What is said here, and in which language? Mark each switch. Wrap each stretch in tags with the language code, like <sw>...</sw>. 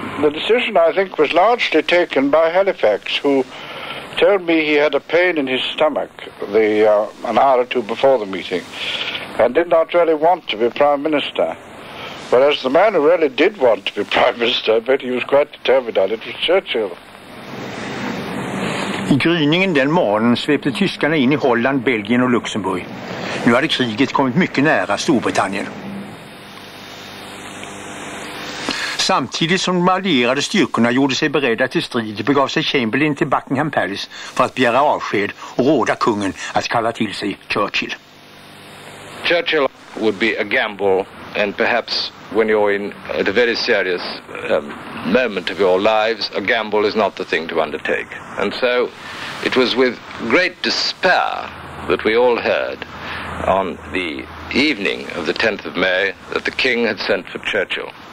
<en>The decision, I think, was largely taken by Halifax, who told me he had a pain in his stomach an hour or two before the meeting and did not really want to be Prime Minister. Whereas the man who really did want to be Prime Minister, but he was quite determined on it, was Churchill.</en> <sv>I gryningen den morgonen svepte tyskarna in i Holland, Belgien och Luxemburg. Nu hade kriget kommit mycket nära Storbritannien. Samtidigt som de allierade styrkorna gjorde sig beredda till strid begav sig Chamberlain till Buckingham Palace för att begära avsked och råda kungen att kalla till sig Churchill.</sv> <en>Churchill would be a gamble, and perhaps when you're in at a very serious moment of your lives, a gamble is not the thing to undertake. And so it was with great despair that we all heard on the evening of the 10th of May that the King had sent for Churchill.</en>